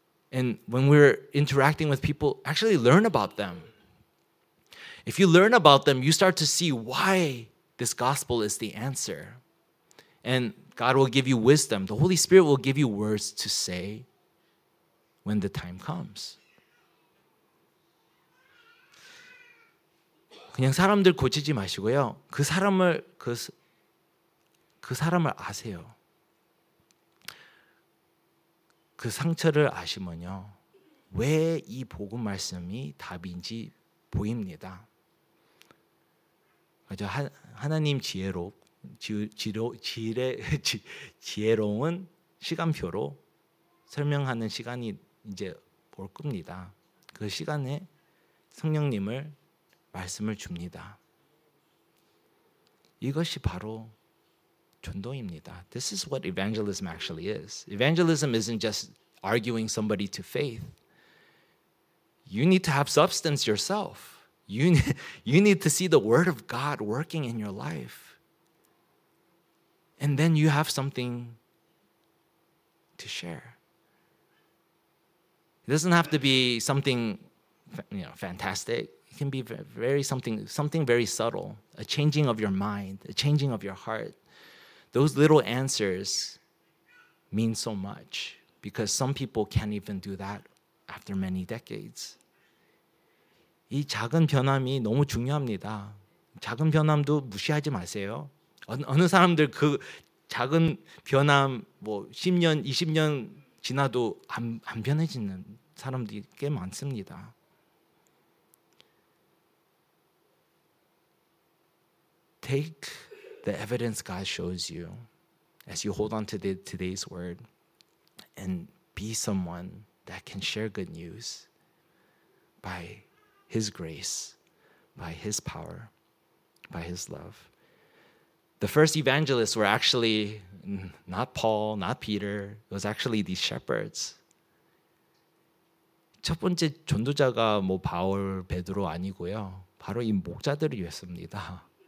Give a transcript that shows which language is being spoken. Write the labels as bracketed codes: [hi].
[en] And when we're interacting with people, actually learn about them. If you learn about them, you start to see why this gospel is the answer. And God will give you wisdom. The Holy Spirit will give you words to say when the time comes. [ko] 그냥 사람들 고치지 마시고요. 그 사람을 그 사람을 아세요. 그 상처를 아시면요. 왜 이 복음 말씀이 답인지 보입니다. 그죠? 하나님 지혜로운 시간표로 설명하는 시간이 이제 올 겁니다. 그 시간에 성령님을 말씀을 줍니다. 이것이 바로 전도입니다. [en] This is what evangelism actually is. Evangelism isn't just arguing somebody to faith. You need to have substance yourself. You need to see the word of God working in your life. And then you have something to share. It doesn't have to be something, you know, fantastic. It can be very something very subtle, a changing of your mind, a changing of your heart. Those little answers mean so much because some people can't even do that after many decades. [ko] 이 작은 변함이 너무 중요합니다. 작은 변함도 무시하지 마세요. 어느 사람들 그 작은 변함 뭐 10년, 20년 지나도 안 변해지는 사람들이 꽤 많습니다. [en] 테이크 the evidence God shows you as you hold on to today's word and be someone that can share good news by His grace, by His power, by His love. The first evangelists were actually not Paul, not Peter. It was actually these shepherds. [ko] 첫 번째 전도자가 뭐 바울, 베드로 아니고요. 바로 이 목자들이었습니다.